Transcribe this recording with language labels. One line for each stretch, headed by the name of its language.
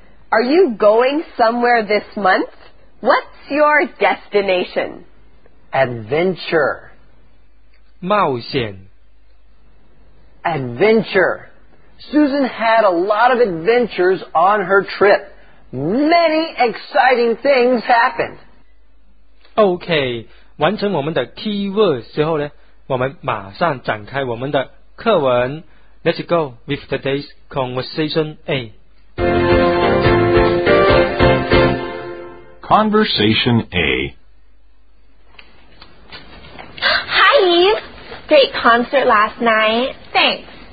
English: Are you going somewhere this month? What's your destination? Adventure.
Chinese: 冒险。
English: Adventure. Susan had a lot of adventures on her trip. Many exciting things happened.
Chinese: OK, 完成我们的 keywords 之后呢，我们马上展开我们的课文。
English: Let's go with today's conversation A. Conversation A. Eve, great concert last night. Thanks.